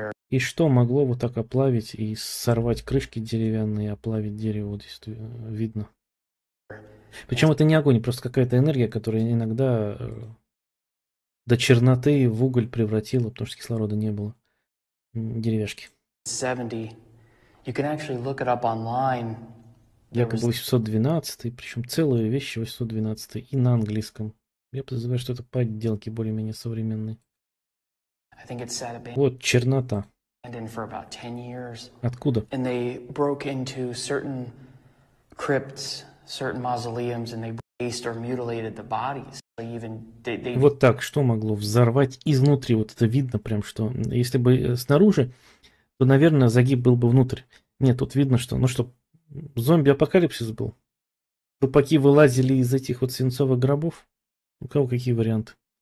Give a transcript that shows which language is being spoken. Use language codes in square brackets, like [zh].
[ru] И что могло вот так оплавить и сорвать крышки деревянные, оплавить дерево, вот здесь видно. Причем это не огонь, просто какая-то энергия, которая иногда до черноты в уголь превратила, потому что кислорода не было. Деревяшки. 70. [en] You can actually look it up online. [ru] Якобы 812, причем целые вещи 812 и на английском. Я подозреваю, что это подделки более-менее современные. [en] I think it's sad a bit. [ru] Вот чернота. [en] And in for about 10 years. [ru] Откуда? [en] And they broke into certain crypts, certain mausoleums, and they based or mutilated the bodies. [ru] Вот так, что могло взорвать изнутри? Вот это видно прям, что если бы снаружи, то, наверное, загиб был бы внутрь. Нет, тут видно, что, ну что, зомби-апокалипсис был. Трупаки вылазили из этих вот свинцовых гробов. У кого какие варианты?